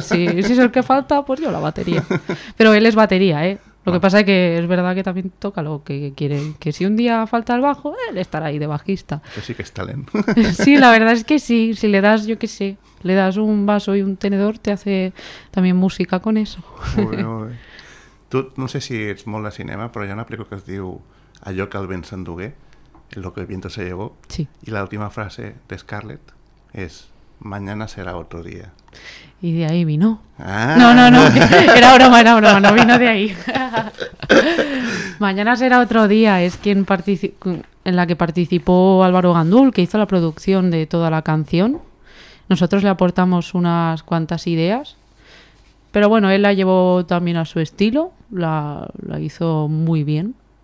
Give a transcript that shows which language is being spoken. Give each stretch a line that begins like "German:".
Spanish: Si es el que falta, pues yo la batería. Pero él es batería, ¿eh? Lo que pasa es que es verdad que también toca lo que quiere. Que si un día falta el bajo, él estará ahí de bajista. Que sí que es talento. Sí, la verdad es que sí. Si le das, yo qué sé, le das un vaso y un tenedor, te hace también música con eso. Muy bien. Tú, no sé si
Catalan: ets molt de cinema, però hi ha una pel·lícula que es diu Allò que el vent s'endugué, Lo que el viento se llevó. Sí. I l'última frase de Scarlett és Mañana será otro día.
Spanish: Y de ahí vino. Ah. No, era broma, no vino de ahí. Mañana será otro día, es quien en la que participó Álvaro Gandul, que hizo la producción de toda la canción. Nosotros le aportamos unas cuantas ideas, pero bueno, él la llevó también a su estilo, la hizo muy bien.